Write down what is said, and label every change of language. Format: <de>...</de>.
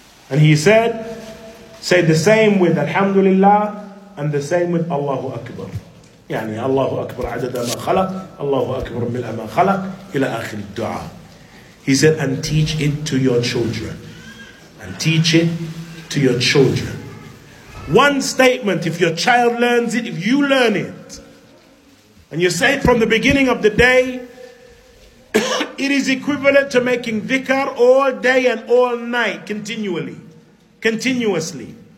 <en>And he said, say the same with Alhamdulillah and the same with Allahu Akbar.</en> <ar>يعني Allahu Akbar عدد ما خلق Allahu Akbar ملء ما خلق إلى آخر الدعاء.</ar> <en>He said, and teach it to your children. And teach it to your children. One statement, if your child learns it, if you learn it, and you say it from the beginning of the day, it is equivalent to making dhikr all day and all night, continually. Continuously.</en>